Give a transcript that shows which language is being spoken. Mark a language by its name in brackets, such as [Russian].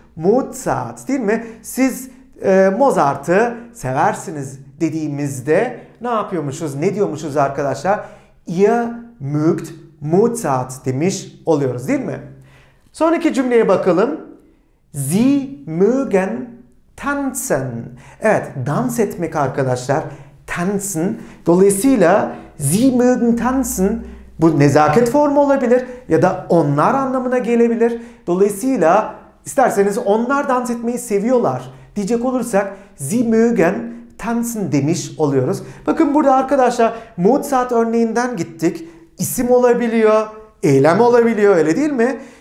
[Turkish] Mozart, değil mi? Siz Mozart'ı seversiniz dediğimizde ne yapıyormuşuz, ne diyormuşuz arkadaşlar? [German] Ihr mögt Mozart [Turkish] demiş oluyoruz, değil mi? Sonraki cümleye bakalım. [German] Sie mögen tanzen. [Turkish] Evet, dans etmek arkadaşlar. [German] Tanzen. Dolayısıyla sie mögen tanzen. [Turkish] Bu nezaket formu olabilir ya da onlar anlamına gelebilir. Dolayısıyla isterseniz onlar dans etmeyi seviyorlar diyecek olursak [German] sie mögen tanzen [Turkish] demiş oluyoruz. Bakın burada arkadaşlar Mozart örneğinden gittik. İsim olabiliyor, eylem olabiliyor, öyle değil mi?